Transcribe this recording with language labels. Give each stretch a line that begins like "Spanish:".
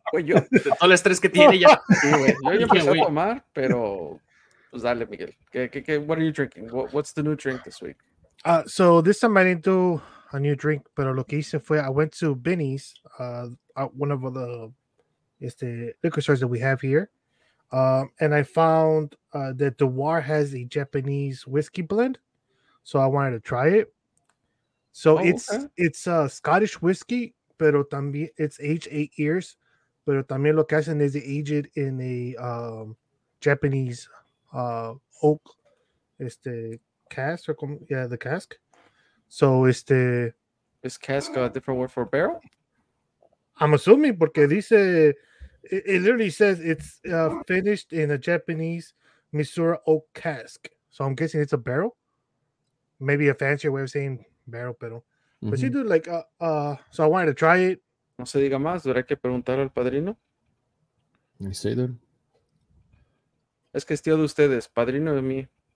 Spanish: Pues yo, de todo el estrés que tiene, ya. Yo ya empecé a tomar, pero pues dale, Miguel.
English: What are you drinking? What's the new drink this week? So this time I didn't do a new drink,
Spanish: pero lo que hice fue,
English: I went to Benny's, one of the liquor stores that we have here, and I found that Dewar has a Japanese whiskey blend, so I wanted to try it. So it's a Scottish whiskey, pero también it's aged 8 years,
Spanish: pero también lo que hacen es
English: aged in a Japanese oak cask or the cask. So is cask a different word for barrel? I'm assuming
Spanish: porque dice
English: it literally says it's finished in a Japanese Misura oak cask. So I'm guessing it's a barrel. Maybe a fancier way of saying barrel, pero. Mm-hmm. But you do like so I wanted to try it.
Spanish: No se diga más, habrá que preguntar al padrino.
English: I say that.
Spanish: Es que es tío de ustedes, padrino de mí.